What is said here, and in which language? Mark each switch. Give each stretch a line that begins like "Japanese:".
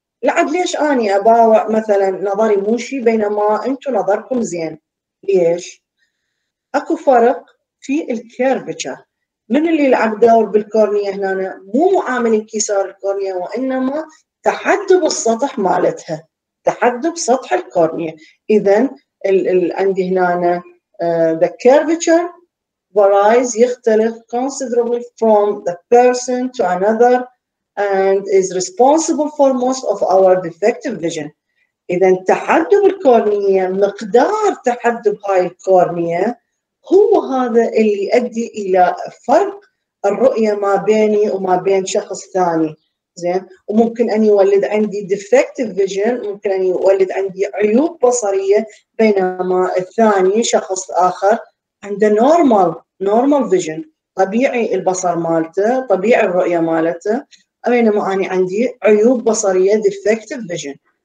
Arabic: لعد ليش أنا أباوع مثلا نظري موشي بينما أنتم نظركم زين؟ ليش؟ أكو فرق في الكيرفتشر. من اللي يلعب دور بالكورنيا هنا؟ مو معامل انكسار الكورنيا وإنما تحدب السطح مالتها، تحدب سطح الكورنيا. إذا عندي هنا
English: the curvature varies
Arabic: يختلف
English: considerably from the person to another and is responsible for most of our defective vision.
Arabic: إذا تحدب الكورنية، مقدار تحدب هاي الكورنية هو هذا اللي يؤدي إلى فرق الرؤية ما بيني وما بين شخص ثاني زين، وممكن أن يولد عندي
English: defective vision،
Arabic: ممكن أن يولد عندي عيوب بصرية بينما الثاني شخص آخر عنده
English: normal vision،
Arabic: طبيعي البصر مالته، طبيعي الرؤية مالته، بينما أنا عندي عيوب بصرية defective vision.